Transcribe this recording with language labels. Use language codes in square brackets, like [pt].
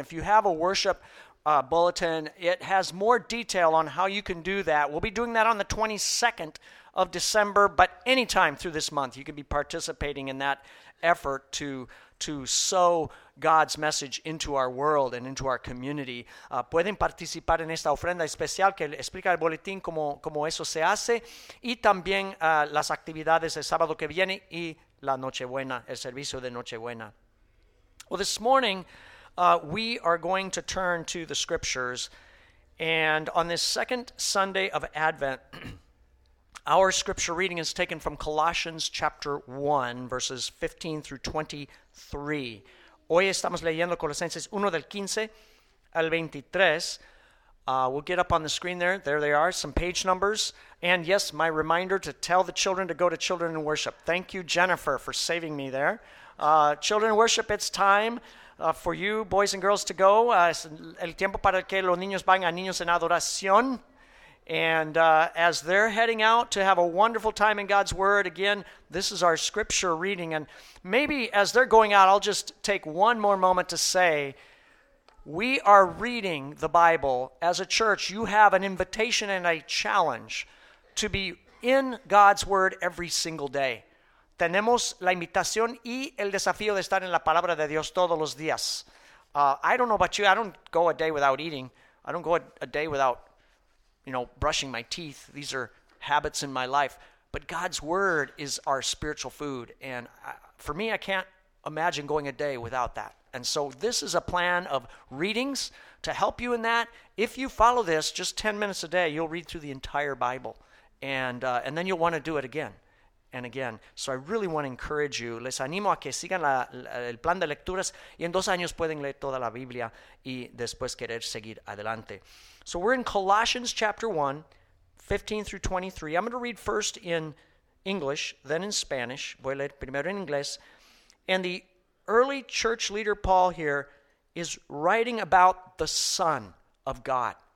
[en] And if you have a worship bulletin, it has more detail on how you can do that. We'll be doing that on the 22nd of December, but anytime through this month, you can be participating in that effort to sow God's message into our world and into our community. [es] Pueden participar en esta ofrenda especial que explica el boletín cómo eso se hace, y también las actividades el sábado que viene y la Nochebuena, el servicio de Nochebuena. [en] Well, this morning, we are going to turn to the scriptures, and on this second Sunday of Advent, our scripture reading is taken from Colossians chapter 1, verses 15 through 23. [es] Hoy estamos leyendo Colosenses 1 del 15 al 23. [en] We'll get up on the screen there. There they are, some page numbers. And yes, my reminder to tell the children to go to Children in Worship. Thank you, Jennifer, for saving me there. Children in Worship, it's time for you boys and girls to go. [es] Es el tiempo para que los niños vayan a Niños en Adoración. [en] And as they're heading out to have a wonderful time in God's Word, again, this is our scripture reading. And maybe as they're going out, I'll just take one more moment to say, we are reading the Bible as a church. You have an invitation and a challenge to be in God's Word every single day. [es] Tenemos la invitación y el desafío de estar en la palabra de Dios todos los días. [en] I don't know about you. I don't go a day without eating. I don't go a day without, you know, brushing my teeth. These are habits in my life. But God's Word is our spiritual food. And for me, I can't imagine going a day without that. And so this is a plan of readings to help you in that. If you follow this just 10 minutes a day, you'll read through the entire Bible. And then you'll want to do it again and again. So I really want to encourage you. [es] Les animo a que sigan el plan de lecturas, y en dos años pueden leer toda la Biblia y después querer seguir adelante. [en] So we're in Colossians chapter 1, 15 through 23. I'm going to read first in English, then in Spanish. [es] Voy a leer primero en inglés. [en] And the early church leader Paul here is writing about the Son of God.